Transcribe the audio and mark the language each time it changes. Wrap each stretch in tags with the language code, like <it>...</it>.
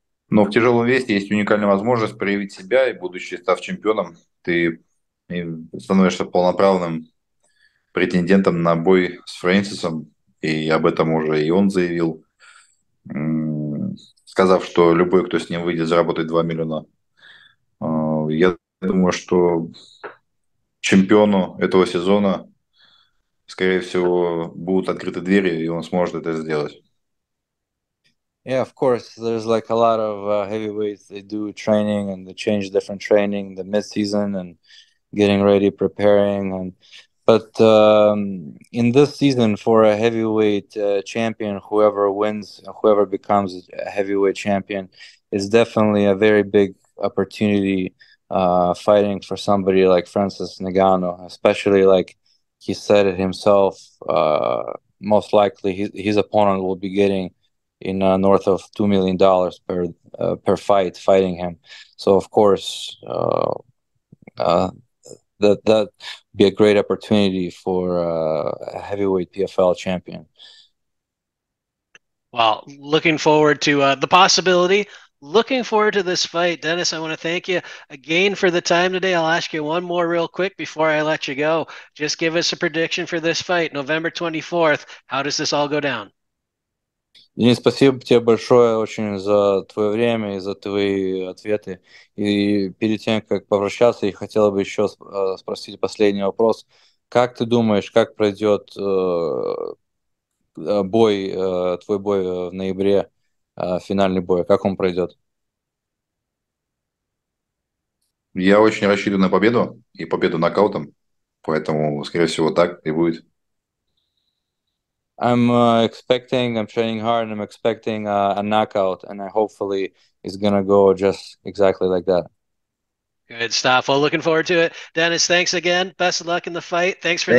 <ru>Но в тяжелом весе есть уникальная возможность проявить себя, и будучи став чемпионом, ты становишься полноправным претендентом на бой с Фрэнсисом, и об этом уже и он заявил, сказав, что любой, кто с ним выйдет, заработает 2 миллиона. Я думаю, что чемпиону этого сезона, скорее всего, будут открыты двери, и он сможет это сделать.</ru> <en>Yeah, of course. There's like a lot of heavyweights. They do training and they change different training, the mid-season and getting ready, preparing. And but in this season, for a heavyweight champion, whoever wins, whoever becomes a heavyweight champion, is definitely a very big opportunity. Fighting for somebody like Francis Ngannou, especially like he said it himself, most likely his opponent will be getting in north of $2 million per fight fighting him. So of course that'd be a great opportunity for a heavyweight PFL champion. Well, looking forward to the possibility. Looking forward to this fight. Dennis, I want to thank you again for the time today. I'll ask you one more real quick before I let you go. Just give us a prediction for this fight, November 24th. How does this all go down?</en> <ru>Денис, спасибо тебе большое очень за твое время и за твои ответы. И перед тем, как попрощаться, я хотел бы еще спросить последний вопрос. Как ты думаешь, как пройдет твой бой в ноябре, финальный бой? Как он пройдет? Я очень рассчитываю на победу и победу нокаутом, поэтому, скорее всего, так и будет.</ru> <en>I'm training hard, and I'm expecting a knockout, and I hopefully it's gonna go just exactly like that. Good stuff. Well, looking forward to it. Dennis, thanks again. Best of luck in the fight. Thanks for the</en>